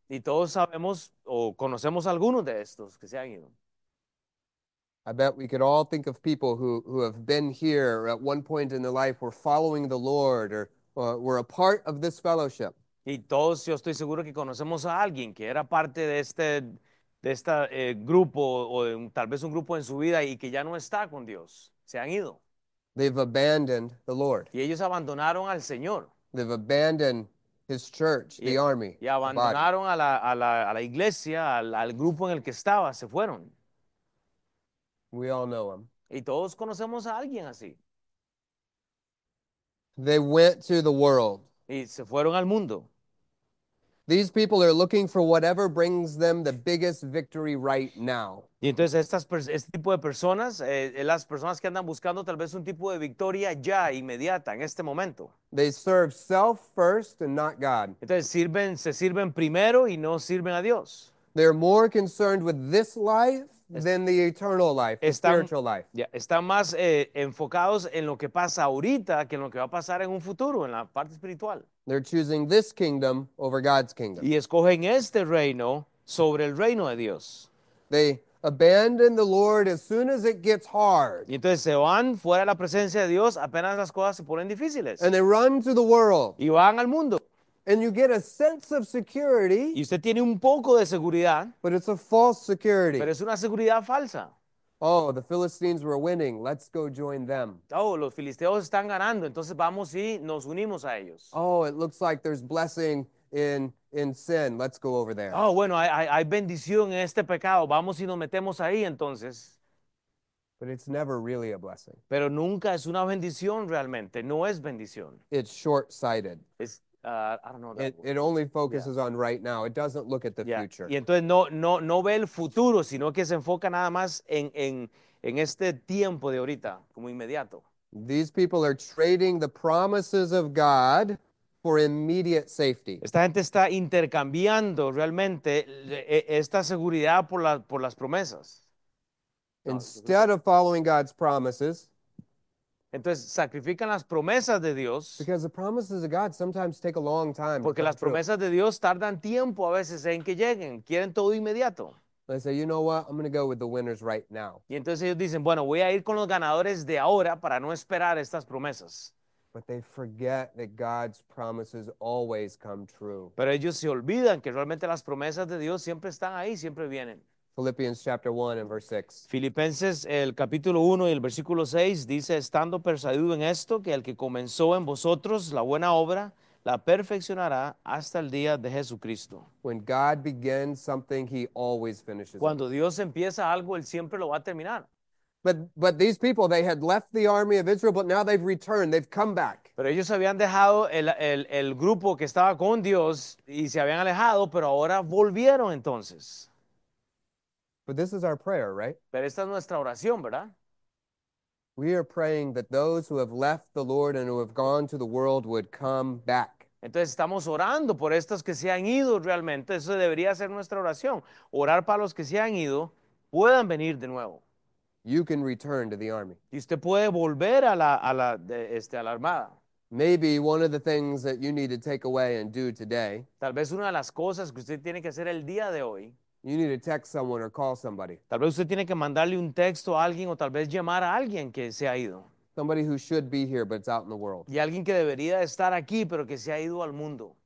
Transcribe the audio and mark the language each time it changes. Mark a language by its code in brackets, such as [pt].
[es] Y todos sabemos o conocemos algunos de estos que se han ido. [en] I bet we could all think of people who have been here at one point in their life, were following the Lord, or were a part of this fellowship. [es] Y todos, yo estoy seguro que conocemos a alguien que era parte de este grupo o tal vez un grupo en su vida y que ya no está con Dios. Se han ido. [en] They've abandoned the Lord. [es] Y ellos abandonaron al Señor. [en] They've abandoned his church, [es] y, [en] the army, [es] y abandonaron [en] the body. [es] A la iglesia, al grupo en el que estaba, se fueron. [en] We all know him. [es] Y todos conocemos a alguien así. [en] They went to the world. [es] Y se fueron al mundo. [en] These people are looking for whatever brings them the biggest victory right now. [es] Y entonces este tipo de personas, las personas que andan buscando tal vez un tipo de victoria ya, inmediata, en este momento. [en] They serve self first and not God. [es] Entonces se sirven primero y no sirven a Dios. [en] They're more concerned with this life than the eternal life, the spiritual life. [es] Ya, están más enfocados en lo que pasa ahorita que en lo que va a pasar en un futuro, en la parte espiritual. [en] They're choosing this kingdom over God's kingdom. [es] Y escogen este reino sobre el reino de Dios. [en] They abandon the Lord as soon as it gets hard. [es] Y entonces se van fuera de la presencia de Dios apenas las cosas se ponen difíciles. [en] And they run to the world. [es] Y van al mundo. [en] And you get a sense of security. [es] Y usted tiene un poco de seguridad. [en] But it's a false security. [es] Pero es una seguridad falsa. [en] Oh, the Philistines were winning. Let's go join them. [es] Oh, los filisteos están ganando. Entonces vamos y nos unimos a ellos. [en] Oh, it looks like there's blessing in sin. Let's go over there. [es] Oh, bueno, hay bendición en este pecado. Vamos y nos metemos ahí entonces. [en] But it's never really a blessing. [es] Pero nunca es una bendición realmente. No es bendición. [en] It's short-sighted. It only focuses on right now. It doesn't look at the future. [es] Y entonces no ve el futuro, sino que se enfoca nada más en este tiempo de ahorita, como inmediato. [en] These people are trading the promises of God for immediate safety. [es] Esta gente está intercambiando realmente esta seguridad por por las promesas. No, [en] Instead of following God's promises, [es] entonces sacrifican las promesas de Dios [en] because the promises of God sometimes take a long time to [es] porque [en] come [es] las [en] true. [es] promesas de Dios tardan tiempo a veces en que lleguen, quieren todo inmediato. [en] They say, you know what? I'm going to go with the winners right now. [es] Y entonces ellos dicen, bueno, voy a ir con los ganadores de ahora para no esperar estas promesas. [en] But they forget that God's promises always come true. [es] Pero ellos se olvidan que realmente las promesas de Dios siempre están ahí, siempre vienen. [en] Philippians chapter 1 and verse 6. [es] Filipenses, el capítulo 1 y el versículo 6 dice, estando persuadido en esto, que el que comenzó en vosotros la buena obra, la perfeccionará hasta el día de Jesucristo. [en] When God begins something, he always finishes it. [es] Cuando Dios empieza algo, Él siempre lo va a terminar. [en] But these people, they had left the army of Israel, but now they've returned. They've come back. [es] Pero ellos habían dejado el grupo que estaba con Dios y se habían alejado, pero ahora volvieron entonces. [en] But this is our prayer, right? [es] Pero esta es nuestra oración, ¿verdad? [en] We are praying that those who have left the Lord and who have gone to the world would come back. [es] Entonces estamos orando por estos que se han ido realmente. Eso debería ser nuestra oración. Orar para los que se han ido puedan venir de nuevo. [en] You can return to the army. [es] Y usted puede volver a a la armada. [en] Maybe one of the things that you need to take away and do today, [es] Tal vez una de las cosas que usted tiene que hacer el día de hoy. [en] you need to text someone or call somebody. [es] Tal vez usted tiene que mandarle un texto a alguien o tal vez llamar a alguien que se ha ido. [en] Somebody who should be here, but it's out in the world. [es] Y alguien que debería estar aquí, pero que se ha ido al mundo.